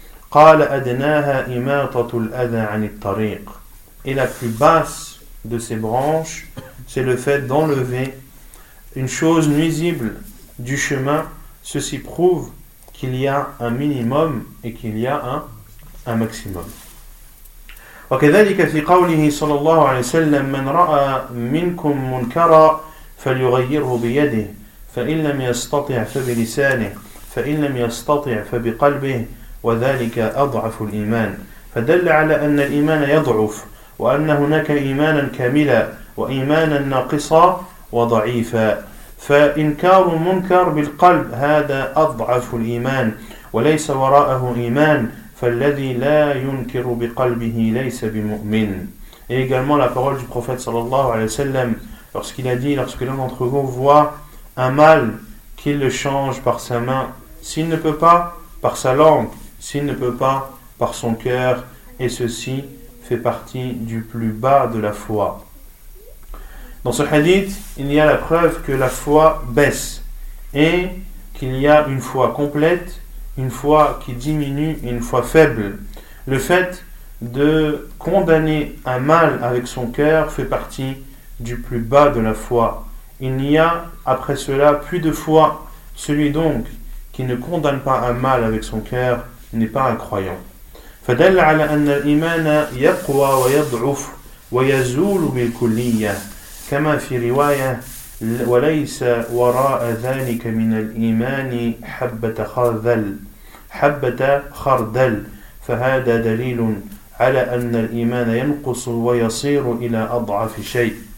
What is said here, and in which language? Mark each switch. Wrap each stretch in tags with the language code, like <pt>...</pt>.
<ar>قال أدناها إماطة الأذى عن الطريق</ar> <fr>et la plus basse de ces branches c'est le fait d'enlever une chose nuisible du chemin, ceci prouve qu'il y a un minimum et qu'il y a un maximum.</fr> <ar>وكذلك في قوله صلى الله عليه وسلم من رأى منكم منكرا فليغيره بيده فإن لم يستطع فبلسانه فإن لم يستطع فبقلبه وذلك أضعف الإيمان فدل على أن الإيمان يضعف وأن هناك إيمانا كاملا وإيمانا ناقصا وضعيفا فإنكار منكر بالقلب هذا أضعف الإيمان وليس وراءه إيمان فالذي لا ينكر بقلبه ليس بمؤمن.</ar> <fr>Et également la parole du prophète sallallahu alayhi wa sallam lorsqu'il a dit lorsque l'un d'entre vous voit un mal qu'il le change par sa main s'il ne peut pas par sa langue s'il ne peut pas par son cœur et ceci fait partie du plus bas de la foi. Dans ce hadith, il y a la preuve que la foi baisse et qu'il y a une foi complète, une foi qui diminue et une foi faible. Le fait de condamner un mal avec son cœur fait partie du plus bas de la foi. Il n'y a après cela plus de foi. Celui donc qui ne condamne pas un mal avec son cœur n'est pas un croyant.</fr> <ar>فدل على أن الإيمان يقوى ويضعف ويزول بالكلية كما في رواية وليس وراء ذلك من الإيمان حبة خردل حبة خردل فهذا دليل على أن الإيمان ينقص ويصير إلى أضعف شيء</ar>